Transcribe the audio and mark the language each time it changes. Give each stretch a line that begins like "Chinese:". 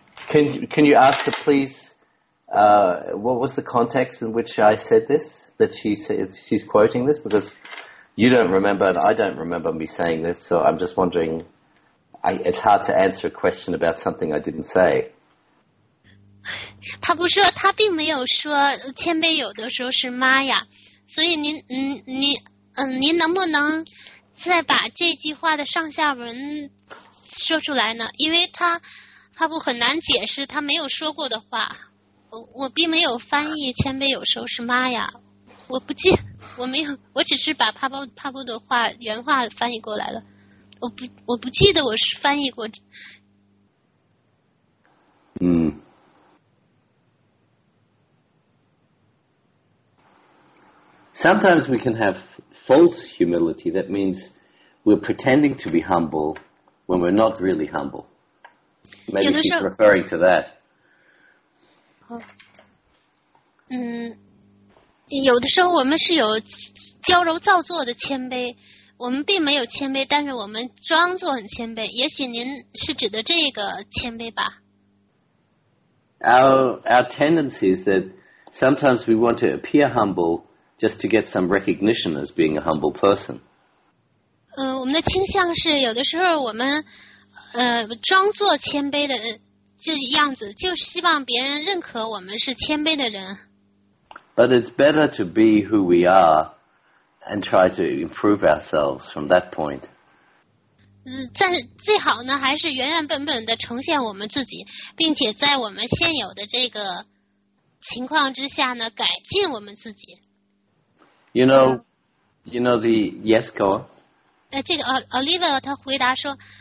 English: Can you ask her, please, what was the context in which I said this, that she's quoting this? Because you don't remember and I don't remember me saying this, so I'm just wondering. It's hard to answer a question about something I didn't say.
Chinese: 他不说，他并没有说谦卑有的时候是妈呀，所以您能不能再把这句话的上下文说出来呢？因为他不很难解释他没有说过的话。我并没有翻译谦卑有时候是妈呀，我不记，我没有，我只是把帕布的话原话翻译过来了。我不记得我是翻译过。
English: Sometimes we can have false humility. That means we're pretending to be humble when we're not really humble. Maybe she's referring to that.
Chinese: 有的时候我们是有矫揉造作的谦卑，我们并没有谦卑，但是我们装作很谦卑。也许您是指的这个谦卑吧。
English: Our tendency is that sometimes we want to appear humble. Just to get some recognition as being a humble person.
Chinese: 我们的倾向是有的时候我们装作谦卑的这样子，就希望别人认可我们是谦卑的人。
English: But it's better to be who we are and try to improve ourselves from that point.
Chinese: 但是最好呢，还是原原本本的呈现我们自己，并且在我们现有的这个情况之下呢，改进我们自己。
English: You know the yes, go on.
Chinese: 这个 Olivia 他回答说，